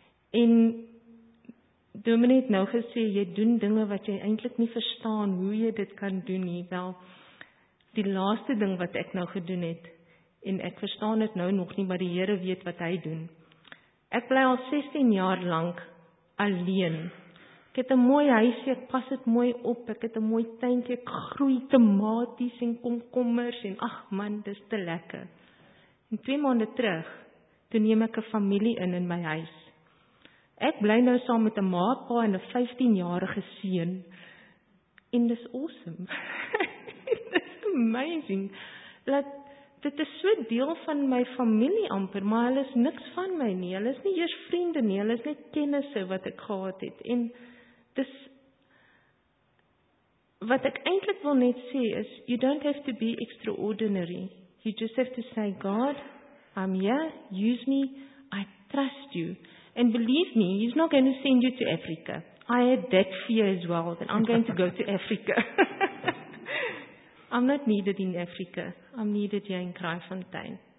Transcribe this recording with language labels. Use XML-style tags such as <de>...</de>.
<af>En Dominee het nou gesê, jy doen dinge wat jy eintlik nie verstaan hoe jy dit kan doen nie. Wel, die laaste ding wat ek nou gedoen het, en ek verstaan dit nou nog nie, maar die Here weet wat hy doen. Ek bly al 16 jaar lank alleen. Ek het een mooi huisje, ek pas het mooi op, ek het een mooi tuintje, ek groei tomaties en komkommers, en ach man, dis te lekker. En 2 maande terug, toen neem ek een familie in my huis. Ek bly nou saam met een maapa en een 15-jarige seun, en dis awesome. Dis amazing, dat dit is so deel van my familie amper, maar hulle is niks van my nie, hulle is nie eers vriende nie, hulle is net kennisse wat ek gehad het, en dis, wat ek eintlik wil net sê is,</af> <en>you don't have to be extraordinary, you just have to say, God, I'm here, use me, I trust you, and believe me, he's not going to send you to Africa, I had that fear as well, that I'm going to go to Africa, I'm not needed in Africa, I'm needed here in Kraaifontein.</en>